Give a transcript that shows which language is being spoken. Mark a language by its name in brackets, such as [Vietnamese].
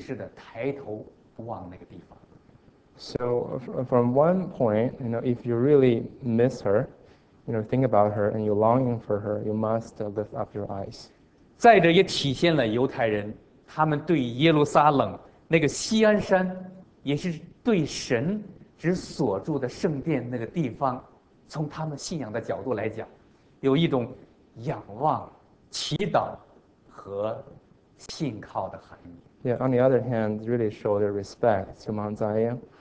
[Chinese] 所以一方面呢，只要你想他，念他，你就会下意识的抬头望那个地方。 [English] So from one point, you know, if you really miss her, you know, think about her and you're longing for her, you must lift up your eyes. [Chinese] 再者也体现了犹太人他们对耶路撒冷那个锡安山，也是对神之所住的圣殿那个地方，从他们信仰的角度来讲，有一种仰望、祈祷和信靠的含义。 [English] Yeah, on the other hand, really show their respect to Mount Zion.